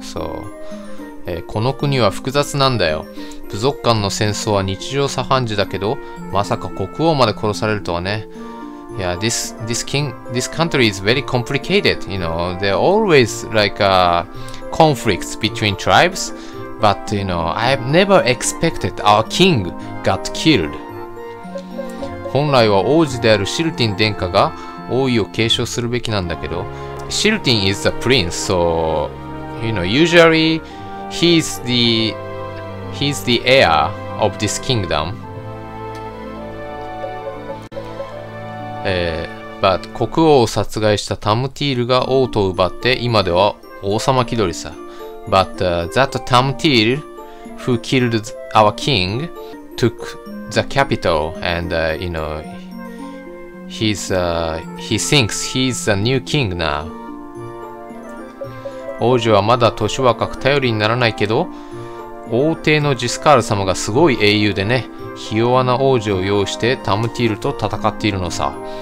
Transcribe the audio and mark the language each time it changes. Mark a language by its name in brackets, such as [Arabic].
[Japanese] So, この国は複雑なんだよ。部族間の戦争は日常茶飯事だけど、まさか国王まで殺されるとはね。 [English] いや、this country is very complicated. You know, there are always like conflicts between tribes. But you know, I've never expected our king got killed. [Japanese] 本来は王子であるシルティン殿下が王位を継承するべきなんだけど、 [English] シルティン is the prince, so you know usually he's the heir of this kingdom. [Japanese] But 国王を殺害したタムティールが王と奪って今では王様気取りさ。 [English] But that Tamtil who killed our king took. The capital, and you know, he thinks he's the new king now. [Japanese] 王子はまだ年若く頼りにならないけど、王帝のジスカール様がすごい英雄でね、ひ弱な王子を擁してタムティールと戦っているのさ。